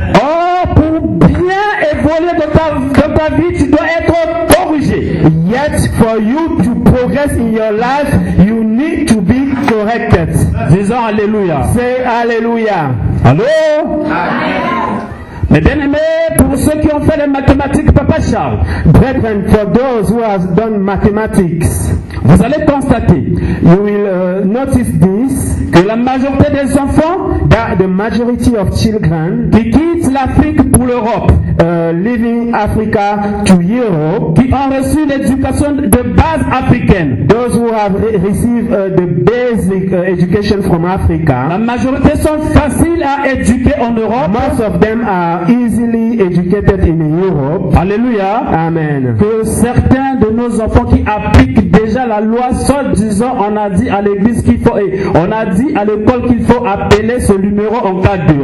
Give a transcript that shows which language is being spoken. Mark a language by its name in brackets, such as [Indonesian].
[French] Oh, pour bien évoluer de ta vie, tu dois être corrigé. [English] Yet, for you to progress in your life, you need to be corrected. [French] Disons alléluia. [English] Say alléluia. [French] Allô? Amen. Mes bien-aimés, pour ceux qui ont fait les mathématiques, Papa Charles. [English] Brethren, for those who have done mathematics, [French] vous allez constater, [English] you will notice this, [French] que la majorité des enfants, [English] that the majority of children, [French] qui quittent l'Afrique pour l'Europe, [English] leaving Africa to Europe, [French] qui ont reçu l'éducation de base africaine, [English] those who have received the basic education from Africa, [French] la majorité sont faciles à éduquer en Europe, [English] most of them are easily educated in Europe. [French] Alléluia. Amen. Que certains de nos enfants qui appliquent déjà la loi, soit disant on a dit à l'église qu'il faut, et on a dit à l'école qu'il faut appeler ce numéro en cas de.